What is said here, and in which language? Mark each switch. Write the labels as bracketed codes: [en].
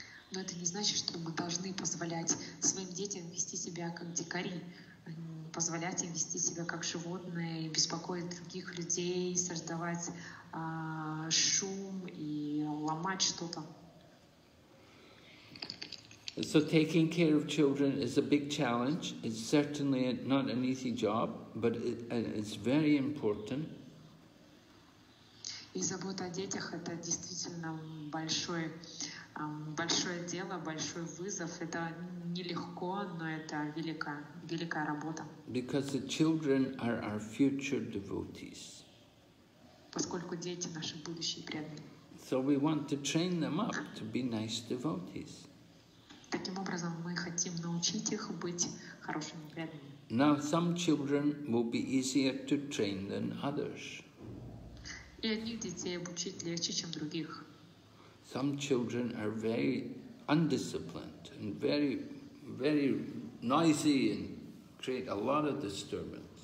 [ru] Но это не значит, что мы должны позволять своим детям вести себя как дикари, позволять им вести себя как животные, беспокоить других людей, создавать шум и ломать что-то. [en] So taking care of children is a big challenge. It's certainly not an easy job, but it's very important. [ru] И забота о детях — это действительно большое. Большое дело, большой вызов. Это нелегко, но это великая работа. [en] Because the children are our future devotees. [ru] Поскольку дети наши будущие преданные. [en] So we want to train them up to be nice devotees. [ru] Таким образом, мы хотим научить их быть хорошими преданными. [en] Now some children will be easier to train than others. [ru] И одних детей обучить легче, чем других. [en] Some children are very undisciplined and very, very noisy and create a lot of disturbance.